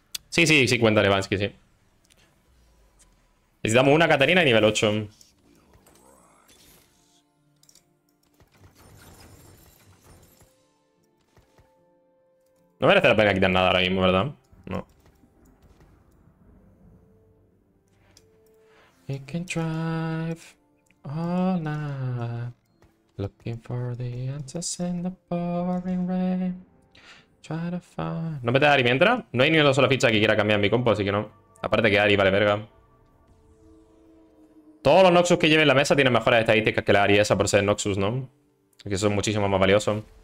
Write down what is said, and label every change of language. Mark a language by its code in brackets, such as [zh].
[es] Sí, sí, sí, cuenta Levansky, sí. Necesitamos una Katarina y nivel 8. No merece la pena quitar nada ahora mismo, ¿verdad? No. [en] We can drive all night, looking for the answers in the pouring rain. Try to find... [es] ¿No metes a Ari mientras? No hay ni una sola ficha que quiera cambiar mi compo, así que no. Aparte que Ari vale verga. Todos los Noxus que lleve en la mesa tienen mejores estadísticas que la Ari esa por ser Noxus, ¿no? Que son muchísimo más valiosos.